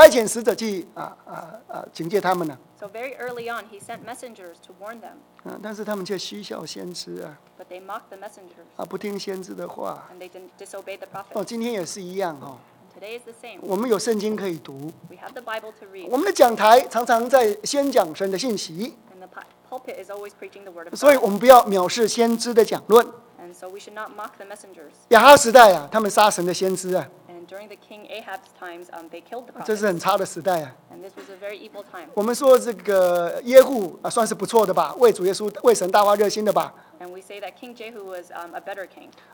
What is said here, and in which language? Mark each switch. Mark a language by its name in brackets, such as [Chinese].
[Chinese] 所以从早起来啊，就是说神能从早起来，殷勤的差遣使者去警戒他们呢。 [English] So very early on, he sent messengers to warn them. [Chinese] 但是他们却嬉笑先知啊。 [English] But they mocked the messengers. [Chinese] 不听先知的话。 [English] And they didn't disobey the prophet. [Chinese] 今天也是一样哦。 [English] Today is the same. [Chinese] 我们有圣经可以读。 [English] We have the Bible to read. [Chinese] 我们的讲台常常在先讲神的信息。 [English] And the pulpit is always preaching the word of God. [Chinese] 所以我们不要藐视先知的讲论。 [English] And so we should not mock the messengers. [Chinese] 亚哈时代啊，他们杀神的先知啊。 [English] And during the king Ahab's times, they killed the prophet. [Chinese] 这是很差的时代啊。 [English] And this was a very evil time. [Chinese] 我们说这个耶户啊，算是不错的吧，为主耶稣、为神大发热心的吧。 [English] And we say that King Jehu was a better king.